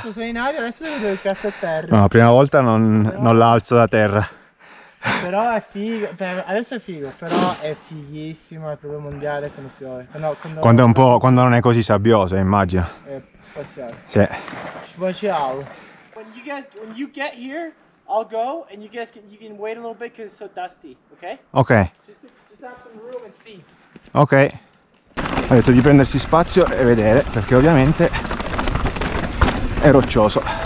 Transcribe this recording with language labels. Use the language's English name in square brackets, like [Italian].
[Italian] Sono in aria, adesso devo vedere il cazzo a terra. No, la prima volta non la alzo da terra. Però è figo, adesso è figo, però è fighissimo, è proprio mondiale quando piove. Quando è un po', quando non è così sabbioso, immagino. È spaziale. Sì. Spaziale. [English] When you get here... I'll go and you guys can wait a little bit because it's so dusty, okay? Okay. Just have some room and see. Okay. [Italian] Ho detto di prendersi spazio e vedere, perché ovviamente è roccioso.